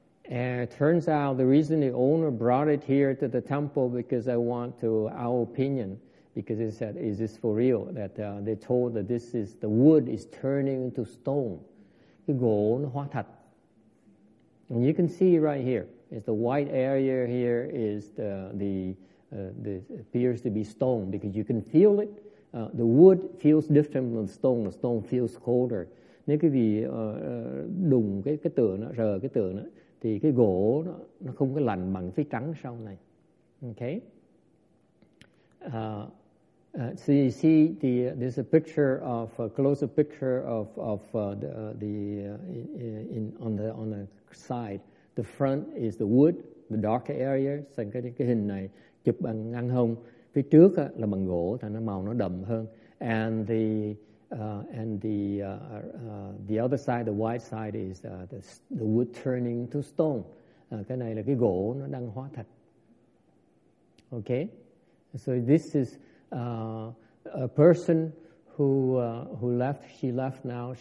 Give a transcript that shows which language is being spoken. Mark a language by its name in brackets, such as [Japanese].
[English] And it turns out the reason the owner brought it here to the temple because I want to our opinion because they said is this for real that they told that this is the wood is turning into stone. [Vietnamese] Cái gỗ nó hóa thạch. [English] And you can see right here. It's the white area here is the appears to be stone because you can feel it. The wood feels different than stone. The stone feels colder. [Vietnamese] Nếu quý vị đụng cái tượng đó, rờ cái tượng đó, thì cái gỗ nó không có lạnh bằng phía trắng sau này. Okay. [English] So you see the there's a picture of a closer picture of the on the side. The front is the wood, the darker area. [Vietnamese] Thành cái hình này chụp bằng ngăn hông. Phía trước á, là bằng gỗ, thành nó màu nó đậm hơn. [English] And the other side, the white side is the wood turning to stone. [Vietnamese] Cái này là cái gỗ nó đang hóa thạch. [English] Okay, so this is a person who left now.